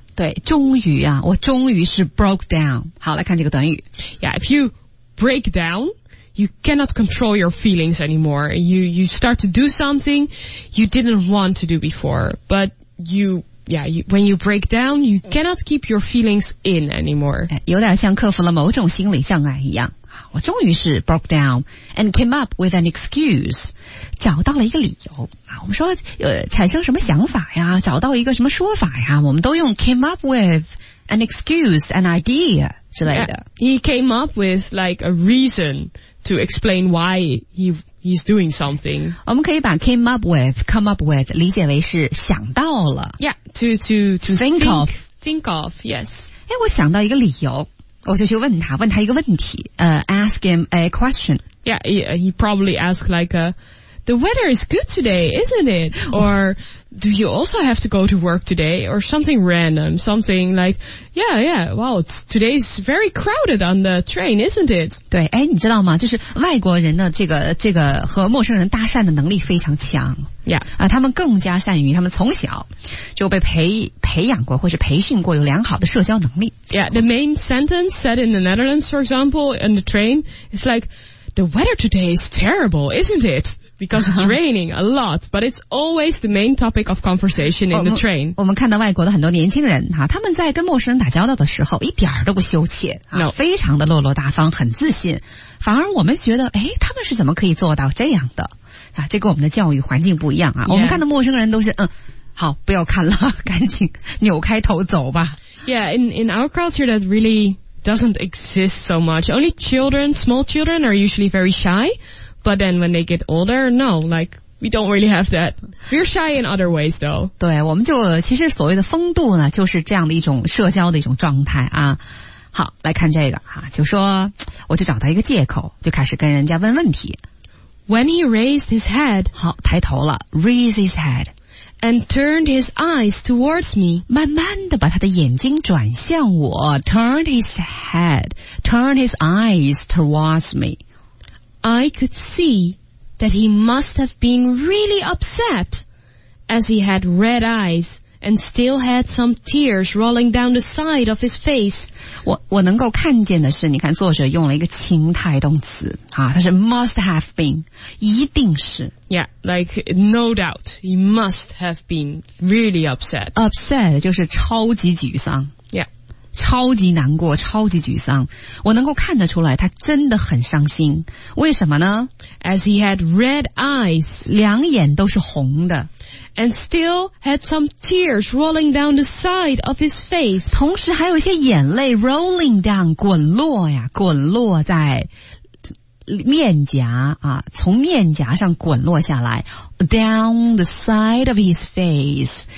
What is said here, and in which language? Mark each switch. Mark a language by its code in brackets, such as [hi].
[zh] 对，终于啊，我终于是 [en] broke down. [zh] 好，来看这个短语。 [en] Yeah, if you break down, you cannot control your feelings anymore. You start to do something you didn't want to do before, but you... Yeah, when you break down, you cannot keep your feelings in anymore. [zh] 有点像克服了某种心理障碍一样。我终于是 [en] broke down and came up with an excuse. [zh] 找到了一个理由。我们说产生什么想法呀，找到一个什么说法呀，我们都用 [en] came up with an excuse, an idea [zh] 之类的。 [en] Yeah, he came up with like a reason to explain why he's doing something. [zh] 我们可以把 come up with 理解为是想到了。 [en] Yeah, to think of. Think of, yes. [zh] 诶，我想到一个理由，我就去问他一个问题， [en] ask him a question. Yeah, he probably asked like, the weather is good today, isn't it? Or, do you also have to go to work today? Or something random, something like, well, today's very crowded on the train, isn't it? [zh] 对，诶，你知道吗？就是外国人的这个和陌生人搭讪的能力非常强。 [en] Yeah. [zh] 他们更加善于，他们从小就被培养过或是培训过有良好的社交能力。 [en] Yeah, the main sentence said in the Netherlands, for example, in the train, is like, the weather today is terrible, isn't it? Because it's raining a lot, but it's always the main topic of conversation in the train. [zh] 我们看到外国的很多年轻人，他们在跟陌生人打交道的时候一点都不羞怯，非常的落落大方，很自信。反而我们觉得，诶，他们是怎么可以做到这样的？这跟我们的教育环境不一样啊。我们看到陌生人都是，好，不要看了，赶紧扭开头走吧。 [en] Yeah, in our culture that really doesn't exist so much. Only children, small children are usually very shy. But then when they get older, no, like, we don't really have that. We're shy in other ways, though. [zh] 对，我们就其实所谓的风度呢，就是这样的一种社交的一种状态啊。好，来看这个啊，就说我就找到一个借口，就开始跟人家问问题。 [en] When he raised his head, [zh] 好，抬头了 ， [en] raise his head, and turned his eyes towards me, [zh] 慢慢的把他的眼睛转向我 [en] ，turned his head, turned his eyes towards me. I could see that he must have been really upset, as he had red eyes and still had some tears rolling down the side of his face. [zh] 我能够看见的是，你看作者用了一个情态动词啊，它是 must have been， 一定是。 [en] Yeah, like no doubt, he must have been really upset. [zh] Upset 就是超级沮丧。 [en] Yeah. [zh] 超级难过，超级沮丧。我能够看得出来，他真的很伤心。为什么呢 [en] ？As he had red eyes， [zh] 两眼都是红的 [en] ，and still had some tears rolling down the side of his face。 [zh] 同时还有一些眼泪 rolling down， 滚落呀，滚落在面颊啊，从面颊上滚落下来 ， [en] down the side of his face。